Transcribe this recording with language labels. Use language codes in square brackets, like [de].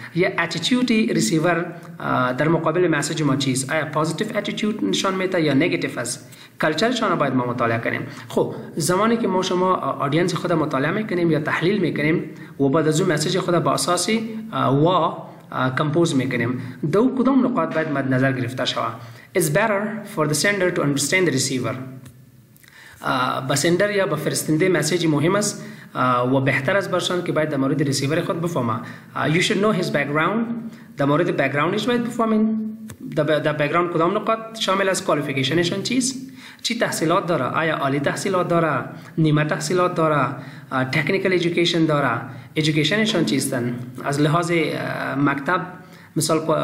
[fa] یا اتیتیود ریسیور در مقابل مسیج ما چیز، آیا پوزیتیو اتیتیود نشان میده یا نگاتیو است، کلچرشان را باید ما مطالعه کنیم. خب زمانی که ما شما آدینس خود مطالعه میکنیم یا تحلیل میکنیم و بعد از اون مسیج خود با اساسی وا کمپوز میکنیم، دو کدام نقاط باید مد نظر گرفته شوه. [en] It's better for the sender to understand the receiver. [fa] The sender یا به فرستنده مسیجی مهم است و بهتر از برشان که باید در مورد ریسیور خود بفهمه. [en] You should know his background. [fa] در مورد backgroundش باید بفهمین. در background کدام نقاط شامل از qualificationشان چیز؟ چی تحصیلات داره؟ آیا عالی تحصیلات داره؟ نیمه تحصیلات داره؟ [en] technical education [fa] داره؟ educationشان چیستن؟ از لحاظ مکتب مثال